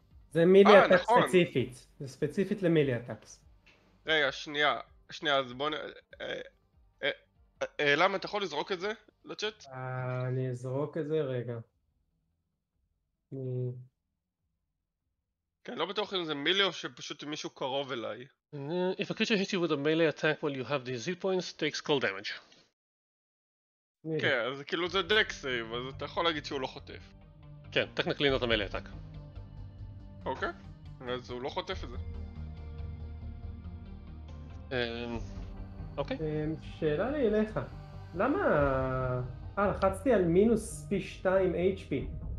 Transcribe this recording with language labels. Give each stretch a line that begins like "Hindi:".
Hebrew: זה מילי אטאק ספציפית. זה ספציפית למילי אטאקס. רגע, שנייה, אז בוא נ... למה, אתה יכול לזרוק את זה לצ'אט? אני אזרוק את זה, רגע. כן, לא בטוח אם זה מילי או שפשוט מישהו קרוב אליי.
English: If a creature hits you with a melee attack while you have these hit points, takes cold damage.
Hebrew: כן, אז כאילו זה דק סייב, אז אתה יכול להגיד שהוא לא חוטף.
English: כן, טכניקלי נוט המלא אטאק.
Hebrew: אוקיי, אז הוא לא חוטף את זה. אוקיי. שאלה לי אליך. למה... לחצתי על מינוס פי 2 HP.